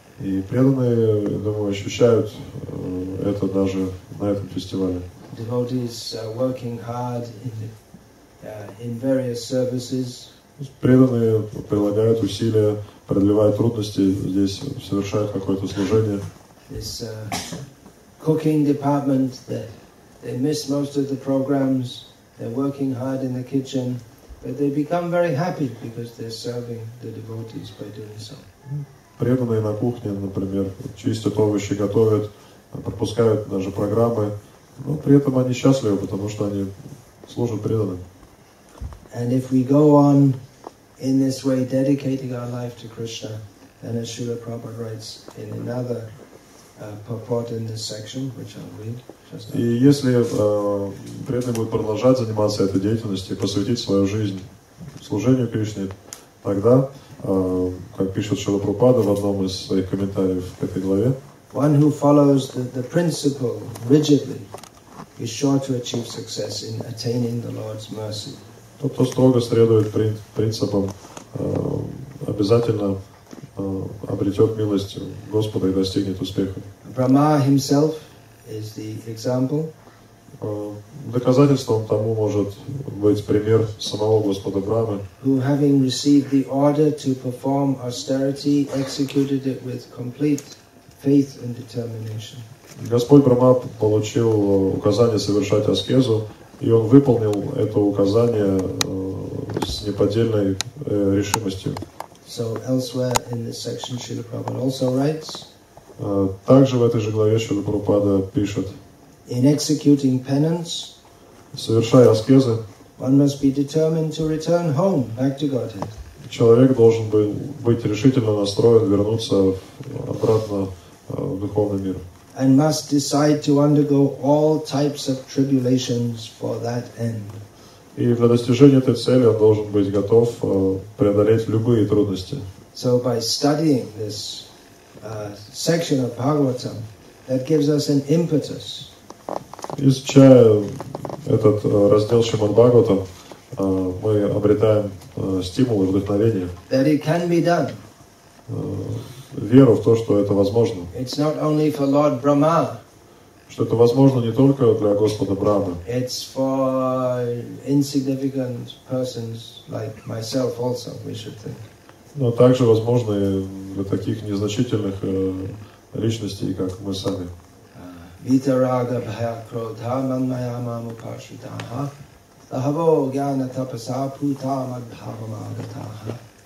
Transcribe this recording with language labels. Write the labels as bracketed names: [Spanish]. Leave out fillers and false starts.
[Russian] И преданные, думаю, ощущают это даже на этом фестивале. [English] Devotees are working hard in various services. [Russian] Преданные прилагают усилия, преодолевают трудности здесь, совершают какое-то служение. [English] This cooking department, they miss most of the programs. They're working hard in the kitchen, but they become very happy because they're serving the devotees by doing so. [Russian] Преданные на кухне, например, чистят овощи, готовят, пропускают даже программы, но при этом они счастливы, потому что они служат преданным. [English] And if we go on in this way, dedicating our life to Krishna, then as Srila Prabhupada writes in another purport in this section, which I'll read. [Russian] И если преданный будет продолжать заниматься этой деятельностью и посвятить свою жизнь служению Кришне, тогда, как пишет Шрила Прабхупада в одном из своих комментариев к этой главе, [English] one who follows the principle rigidly is sure to achieve success in attaining the Lord's mercy. [Russian] Тот, кто строго следует принципам, обязательно обретет милость Господа и достигнет успеха. [English] Brahma himself is the example. [Russian] Доказательством тому может быть пример самого Господа Брамы, [English] who, having received the order to perform austerity, executed it with complete faith and determination. [Russian] Господь Брама получил указание совершать аскезу, и он выполнил это указание с неподдельной решимостью. [English] So elsewhere in this section, Srila Prabhupada also writes. [Russian] Также в этой же главе Шрила Прабхупада пишет: [English] in executing penance, [Russian] совершая аскезы, [English] one must be determined to return home, back to Godhead. [Russian] Человек должен быть решительно настроен вернуться обратно в духовный мир. [English] And must decide to undergo all types of tribulations for that end. [Russian] И для достижения этой цели он должен быть готов преодолеть любые трудности. [English] So by studying this section of Bhagavatam, that gives us an impetus. [Russian] Изучая этот раздел Шримад-Бхагаватам, мы обретаем стимул и вдохновение. [English] That it can be done. [Russian] Веру в то, что это возможно. [English] It's not only for Lord Brahma. [Russian] Что это возможно не только для Господа Брамы. [English] It's for insignificant persons like myself also, we should think. [Russian] Но также возможно и для таких незначительных личностей, как мы сами. [Sanskrit] Витарага бхая кродха манмая маму паршитаха лахаво гьяна тапаса пута мадхавам агатаха.